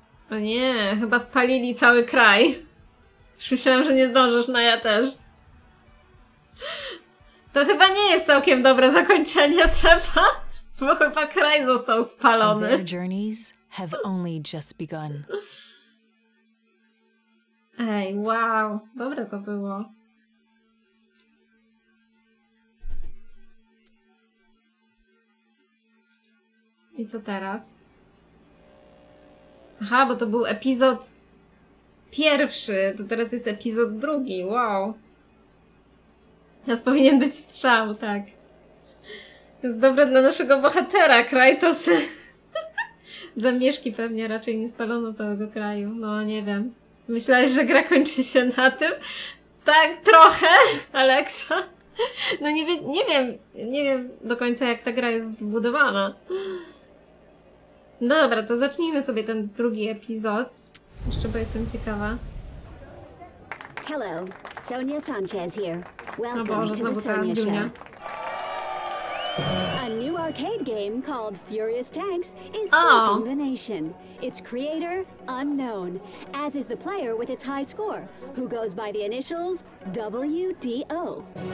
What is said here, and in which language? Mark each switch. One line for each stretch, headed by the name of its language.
Polish: O nie, chyba spalili cały kraj. Już myślałam, że nie zdążysz, no ja też. To chyba nie jest całkiem dobre zakończenie, Sepa. Bo chyba kraj został spalony.
English: And their journeys have only just begun.
Polish: Ej, wow. Dobre to było. I co teraz? Aha, bo to był epizod pierwszy. To teraz jest epizod drugi. Wow. Teraz powinien być strzał, tak. Jest dobre dla naszego bohatera, Krajtos. Zamieszki pewnie, raczej nie spalono całego kraju. No, nie wiem. Myślałeś, że gra kończy się na tym? Tak, trochę, Alexa. No nie wiem do końca, jak ta gra jest zbudowana. No dobra, to zacznijmy sobie ten drugi epizod. Jeszcze, bo jestem ciekawa.
English: Hello, Sonia Sanchez here. Welcome to the Sonia Show. A new arcade game called Furious Tanks is sweeping the nation. Its creator unknown, as is the player with its high score, who goes by the initials WDO.